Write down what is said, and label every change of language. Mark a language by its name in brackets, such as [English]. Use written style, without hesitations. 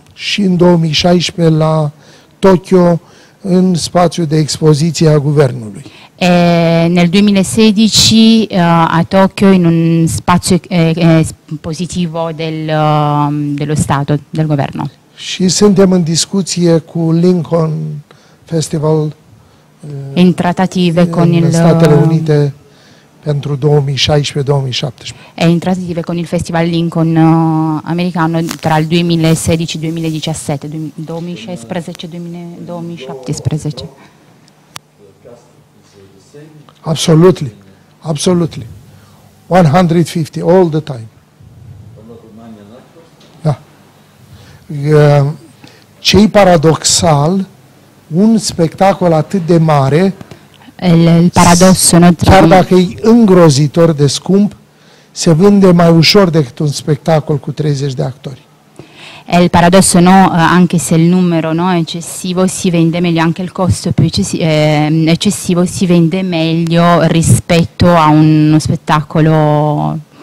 [Romanian] și în 2016 la Tokyo, în spațiu de expoziție a guvernului. [Italian] Nel 2016 a Tokyo in un spazio espositivo dello Stato, del governo. [Romanian] Și suntem în discuție cu Lincoln Festival [Italian] in trattative con [Romanian] în Statele Unite pentru 2016-2017. [Italian] È in trattative con il Festival Lincoln americano tra il 2016-2017. [English] Absolutely. Absolutely. 150 all the time. [Romanian] Da. Ce-i paradoxal, un spectacol atât de mare, [Italian] il paradosso, no? [Romanian] Chiar dacă e îngrozitor de scump, se vinde mai ușor decât un spectacol cu 30 de actori. [Italian] È il paradosso, no? Anche se il numero, no, è eccessivo, si vende meglio, anche il costo più eccessivo si vende meglio rispetto a uno spettacolo